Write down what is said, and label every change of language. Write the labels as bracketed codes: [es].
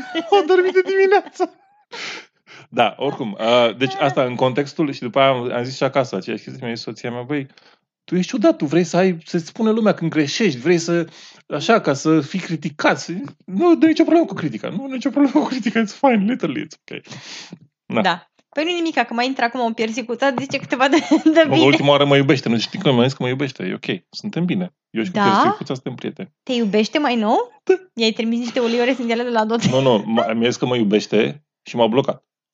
[ro] Au dormit de dimineață. Da, oricum. Deci asta în contextul și după aia am zis și acasă aceeași chestie. Mi-a zis soția mea, băi, tu ești ciudat, tu vrei să-ți spune lumea când greșești, vrei să, așa, ca să fii criticat. Nu, nicio problemă cu critica. [en] It's fine, literally, it's okay. [ro] Da. Păi nu-i nimica, că mai intră acum un piersicuțat, zice câteva de bine. Ultima oară mă iubește, nu știi că mi-a zis că mă iubește, e ok, suntem bine. Eu și cu piersicuța suntem prieteni. Te iubește mai nou? Da. I-ai trimis niște uliuri esențiale de la adot? Nu, mi-a zis că mă iubește și m-a blocat.